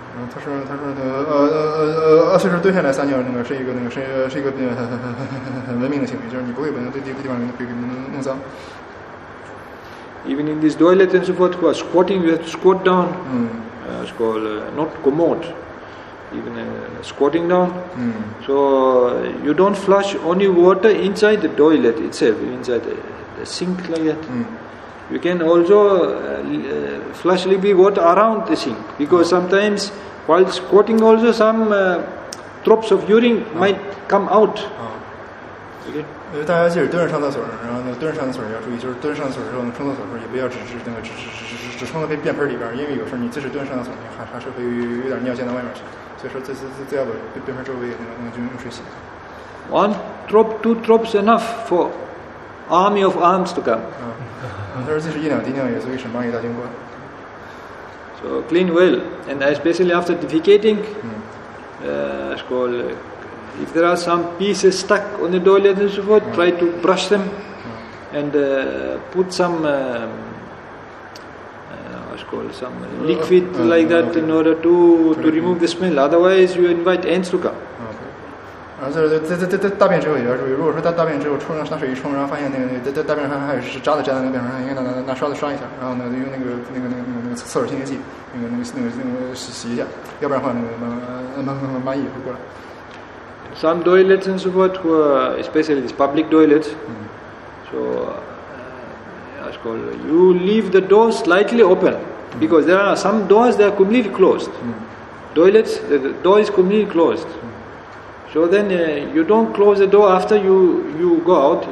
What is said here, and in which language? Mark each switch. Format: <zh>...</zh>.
<zh>所以说蹲下来撒尿那个是一个那个是一个很文明的行为，就是你不会把那对地地方给弄脏。</zh> <en>Even in this toilet and so forth, who are squatting, you have to squat down. 嗯。 It's called not commode, even squatting down. 嗯。 So you don't flush only water inside the toilet itself, inside the sink like that. 嗯。 You can also flush a little bit water around the sink, because sometimes while squatting also some drops of urine might come out.</en> <zh>因为大家即使蹲着上厕所，然后那蹲着上厕所要注意，就是蹲上厕所之后，冲厕所的时候也不要只冲到便盆里边，因为有时候你即使蹲上厕所，你还是会有点尿溅到外面去，所以说这要把便盆周围那个就用水洗。</zh> <en>One drop, two drops enough for army of arms to come.</en> <zh>嗯，他说即使一两滴尿也足以使蚂蚁大军过来。</zh> <en>So clean well, and especially after defecating, it's called. If there are some pieces stuck on the toilet and so forth, try to brush them and put some, what's called, some liquid like that in order to remove the smell. Otherwise, you invite ants to come. Okay.</en> <zh>然后在大便之后也要注意，如果说大便之后冲上拿水一冲，然后发现那个在大便上还有渣子粘在那便上，应该拿刷子刷一下，然后呢用那个厕所清洁剂，那个洗一下，要不然的话那个蚂蚁会过来。</zh> <en>Some toilets and so forth, who are especially these public toilets. So, as called, you leave the door slightly open because there are some doors that are completely closed. Toilets, the door is completely closed. So then you don't close the door after you go out.</en>